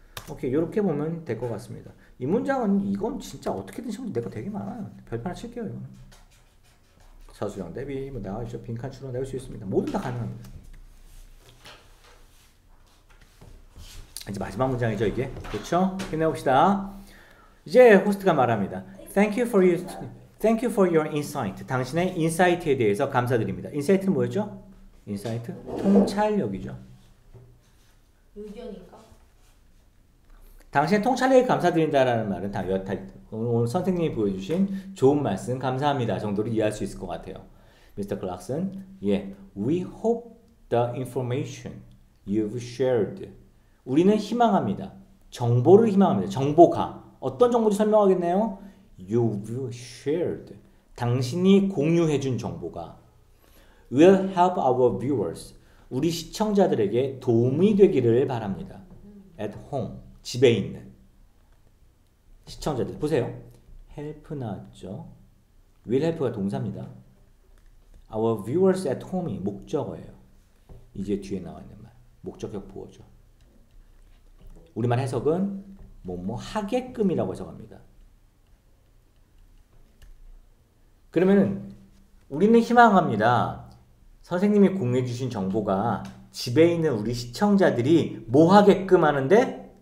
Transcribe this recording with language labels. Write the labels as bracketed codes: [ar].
[ko] 오케이, 요렇게 보면 될 것 같습니다. 이 문장은 이건 진짜 어떻게든 시험 내가 되게 많아요. 별판을 칠게요. 이거는 사수형 대비 뭐 나와있죠. 빈칸 추론 내볼 수 있습니다. 모두 다 가능합니다. 이제 마지막 문장이죠 이게. 그렇죠? 끝내봅시다. 이제 호스트가 말합니다. [en] Thank you for your insight. [ko] 당신의 인사이트에 대해서 감사드립니다. 인사이트는 뭐였죠? 인사이트? 통찰력이죠. 의견인가? 당신의 통찰력에 감사드린다라는 말은 다 여타 오늘 선생님이 보여주신 좋은 말씀 감사합니다 정도로 이해할 수 있을 것 같아요. [en] Mr. Clarkson, yeah. We hope the information you've shared. [ko] 우리는 희망합니다. 정보를 희망합니다. 정보가 어떤 정보인지 설명하겠네요. [en] You've shared. [ko] 당신이 공유해준 정보가 [en] will help our viewers. [ko] 우리 시청자들에게 도움이 되기를 바랍니다. [en] At home. [ko] 집에 있는 시청자들 보세요. help 나왔죠. [en] will help [ko] 가 동사입니다. [en] our viewers at home [ko] 이 목적어예요. 이제 뒤에 나와 있는 말 목적격 보어죠. 우리말 해석은 뭐뭐 하게끔이라고 해석합니다. 그러면은 우리는 희망합니다. 선생님이 공유해 주신 정보가 집에 있는 우리 시청자들이 뭐 하게끔 하는데